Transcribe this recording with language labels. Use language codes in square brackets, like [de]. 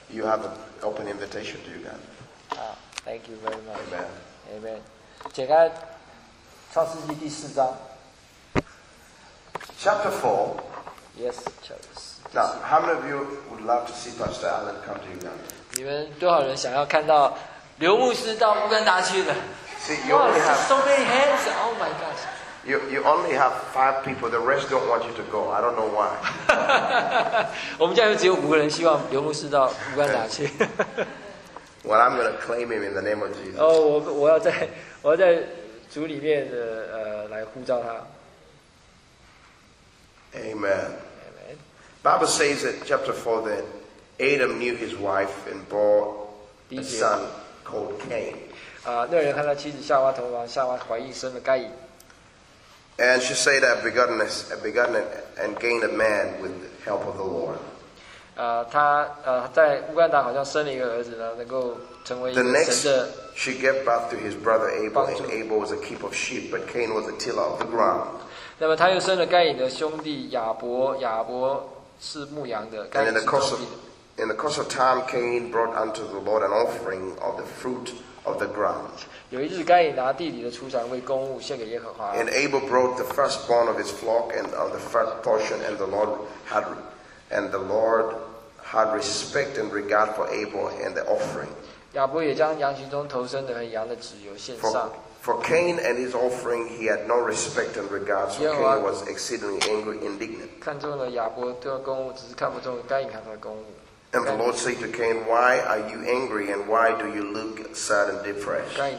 [en] You have an open invitation to Uganda. Thank you very much. Amen. [zh] Amen. 解开创世纪第四章。 [en] Chapter 4. Yes, chapter 4. Now, how many of you would love to see Pastor Allen come to Uganda? [zh] 你们多少人想要看到刘牧师到乌干达去的？ [en] See, you only have so many hands. Oh my gosh. You only have 5 people. The rest don't want you to go. I don't know why. [zh] 我们家就只有五个人希望刘牧师到乌干达去。 [en] Well, I'm going to claim him in the name of Jesus. [zh] 哦，我要在主里面的来呼召他。 [en] Amen. Amen. Bible says that chapter 4 that Adam knew his wife and bore a son called Cain. [zh] 那人看到妻子夏娃同房，夏娃怀孕生了该隐。 [en] And she said, I've begotten and gained a man with the help of the Lord. [zh] 他在乌干达好像生了一个儿子呢，能够成为一个神的帮助。 [en] The next, she gave birth to his brother Abel, and Abel was a keeper of sheep, but Cain was a tiller of the ground. [zh] 那么他又生了该隐的兄弟亚伯，亚伯是牧羊的，该隐是种地的。 [en] In the course of time, Cain brought unto the Lord an offering of the fruit of the ground. [zh] 有一日，该隐拿地里的出产为供物献给耶和华。 [en] And Abel brought the firstborn of his flock and of the first portion, and the Lord had respect and regard for Abel and the offering. [zh] 亚伯也将羊群中头生的和羊的脂油献上。 [en] For Cain and his offering, he had no respect and regard, so Cain was exceedingly angry, indignant. [zh] 看中了亚伯的供物，只是看不中该隐他的供物。 [en] And the Lord said to Cain, Why are you angry and why do you look sad and depressed?